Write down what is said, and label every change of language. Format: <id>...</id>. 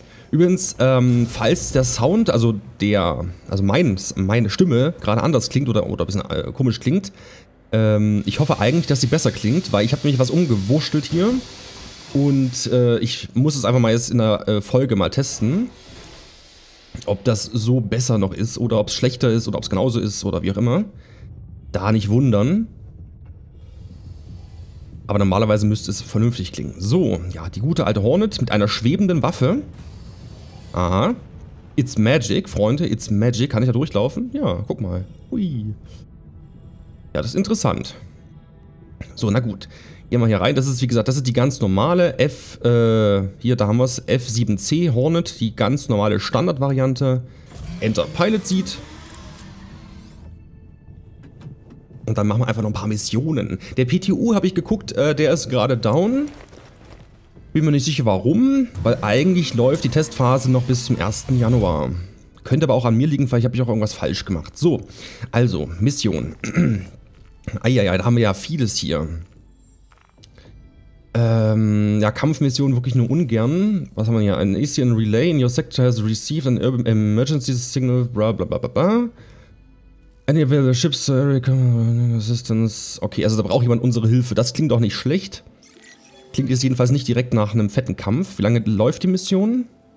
<de>Übrigens, falls der Sound, also der, also meine Stimme gerade anders klingt oder ein bisschen komisch klingt, ich hoffe eigentlich, dass sie besser klingt, weil ich habe nämlich was umgewurschtelt hier und ich muss es einfach mal jetzt in der Folge mal testen, ob das so besser noch ist oder ob es schlechter ist oder ob es genauso ist oder wie auch immer. Da nicht wundern. Aber normalerweise müsste es vernünftig klingen. So, ja, die gute alte Hornet mit einer schwebenden Waffe. Aha.</de> <en>It's magic,</en> <de>Freunde,</de> <en>it's magic.</en> <de>Kann ich da durchlaufen? Ja, guck mal. Hui. Ja, das ist interessant. So, na gut. Gehen wir hier rein. Das ist, wie gesagt, das ist die ganz normale F... hier, da haben wir es. F7C Hornet. Die ganz normale Standardvariante.</de> <en>Enter Pilot Seat.</en> <de>Und dann machen wir einfach noch ein paar Missionen. Der PTU, habe ich geguckt, der ist gerade down. Bin mir nicht sicher, warum. Weil eigentlich läuft die Testphase noch bis zum 1. Januar. Könnte aber auch an mir liegen, vielleicht habe ich auch irgendwas falsch gemacht. So, also, Mission. Eieiei, da haben wir ja vieles hier. Ja, Kampfmission wirklich nur ungern. Was haben wir hier? Ein</de> <en>ACN Relay in your sector has received an emergency signal, bla bla bla bla bla. Any available ships, assistance.</en> <de>Okay, also da braucht jemand unsere Hilfe. Das klingt doch nicht schlecht. Klingt jetzt jedenfalls nicht direkt nach einem fetten Kampf. Wie lange läuft die Mission?</de>